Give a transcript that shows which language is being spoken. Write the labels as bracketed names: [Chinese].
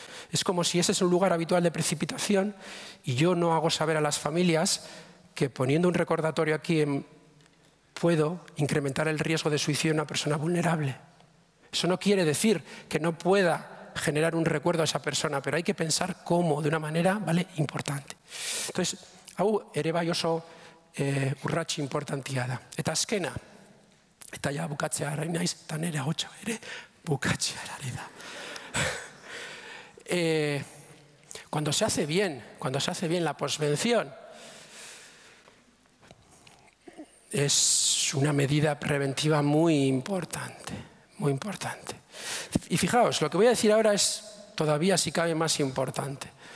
[Spanish] Es como si ese es un lugar habitual de precipitación y yo no hago saber a las familias que poniendo un recordatorio aquí puedo incrementar el riesgo de suicidio en una persona vulnerable. Eso no quiere decir que no pueda generar un recuerdo a esa persona, pero hay que pensar cómo, de una manera, ¿vale?, importante. [Basque] Entonces, hau ere bai oso urrats importantea da. Eta azkena, Eta ja bukatzeara naiz, eta nire ahotsa ere bukatzeara ari da. [Spanish] Cuando se hace bien la posvención, es una medida preventiva muy importante, muy importante. Y fijaos, lo que voy a decir ahora es todavía, si cabe, más importante.